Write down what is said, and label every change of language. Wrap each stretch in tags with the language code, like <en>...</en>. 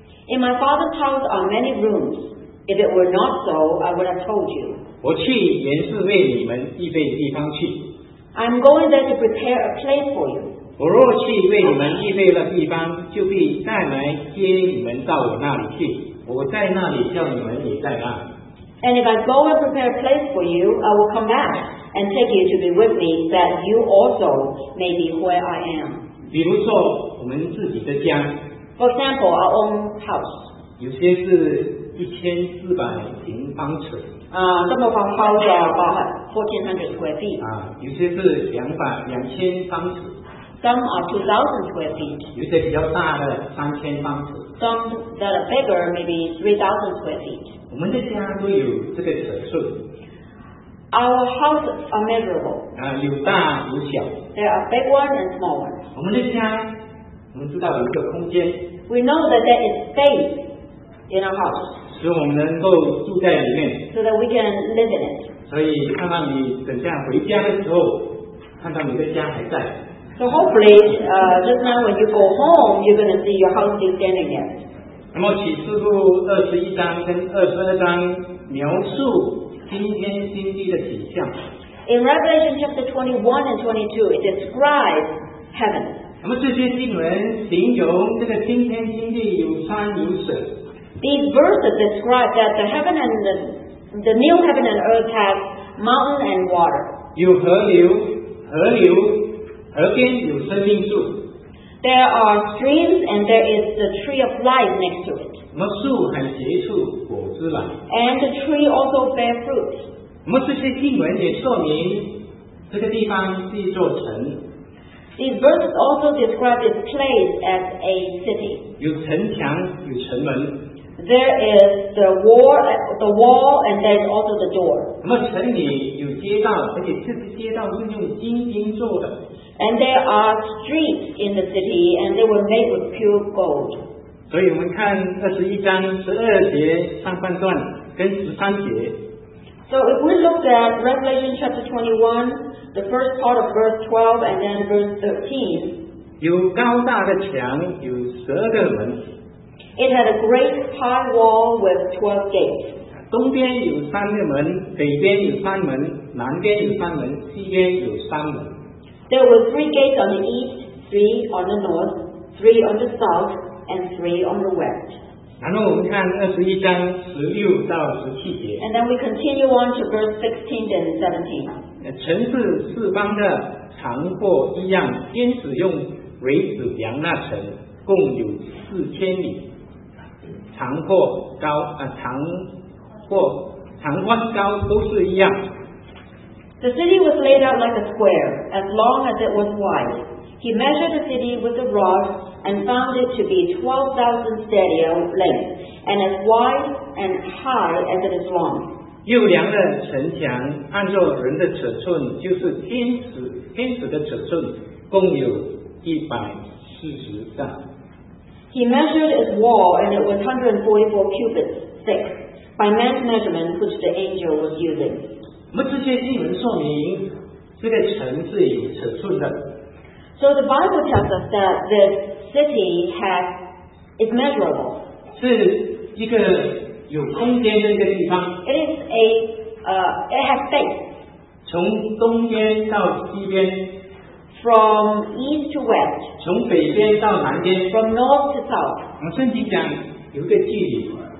<en>In my Father's house are many rooms. If it were not so, I would have told you.</en> <zh>我去原是为你们预备地方去。</zh> <en>I'm going there to prepare a place for you.</en> <zh>我若去为你们预备了地方，就必再来接你们到我那里去。我在那里叫你们也在那。</zh> <en>And if I go and prepare a place for you, I will come back and take you to be with me, that you also may be where I am.</en> <zh>比如说我们自己的家。</zh> <en>For example, our own house.</en> <zh>有些是1400平方尺。</zh> <en>Some of our houses are about 1400 square feet.</en> <zh>有些是2000方尺。</zh> <en>Some are 2,000 square feet.</en> <zh>有些比较大的3000方尺。</zh> <en>Some that are bigger, maybe 3,000 square feet.</en> <zh>我们的家都有这个尺寸。</zh> <en>Our houses are measurable.</en> <zh>有大有小。</zh> <en>There are big ones and small ones.</en> <zh>我们的家，我们知道有一个空间。</zh> <en>We know that there is space. in a house.</en> <zh>使我们能够住在里面。</zh> <en>So that we can live in it.</en> <zh>所以看到你等下回家的时候，看到你的家还在。</zh> <en>So hopefully, just now when you go home, you're going to see your house still standing there.</en> <zh>那么启示录二十一章跟二十二章描述新天新地的景象。</zh> <en>In Revelation chapter 21 and 22, it describes heaven.</en> <zh>那么这些经文形容这个新天新地有山有水。</zh> <en>These verses describe that the heaven and the new heaven and earth have mountains and water.</en> <zh>有河流，河流河边有生命树。</zh> <en>There are streams and there is the tree of life next to it.</en> <zh>那么树还结出果子来。</zh> <en>And the tree also bear fruit.</en> <zh>那么这些经文也说明这个地方是一座城。</zh> <en>These verses also describe this place as a city.</en> <zh>有城墙，有城门。</zh> <en>There is the wall, and there is also the door.</en> <zh>那么城里有街道，而且这些街道是用金金做的。</zh> <en>And there are streets in the city, and they were made with pure gold.</en> <zh>所以我们看二十一章十二节上半段跟十三节。</zh> <en>So if we look at Revelation chapter 21, the first part of verse 12 and then verse 13.</en> <zh>有高大的墙，有十二个门。</zh> <en>It had a great high wall with 12 gates.</en> <zh>东边有三个门，北边有三门，南边有三门，西边有三门。</zh> <en>There were three gates on the east, three on the north, three on the south, and three on the west.</en> <zh>然后我们看二十一章十六到十七节。</zh> <en>And then we continue on to verse 16 and 17.</en> <zh>城市四方的长阔一样，天使用苇子量那城，共有四千里，长阔高长阔长宽高都是一样。</zh> <en>The city was laid out like a square, as long as it was wide. He measured the city with a rod and found it to be 12,000 stadia length, and as wide and high as it is long.</en> <zh>又量了城墙，按照人的尺寸，就是天使的尺寸，共有140丈。</zh> <en>He measured its wall, and it was 144 cubits thick, by man's measurement, which the angel was using.</en> <zh>那么这些经文说明这个城是有尺寸的。</zh> <en>So the Bible tells us that this city is measurable.</en> <zh>是一个有空间的一个地方。</zh> <en>It is a, it has space.</en> <zh>从东边到西边。</zh> <en>From east to west.</en> <zh>从北边到南边。</zh> <en>From north to south.</en> <zh>我们圣经讲有一个距离。</zh>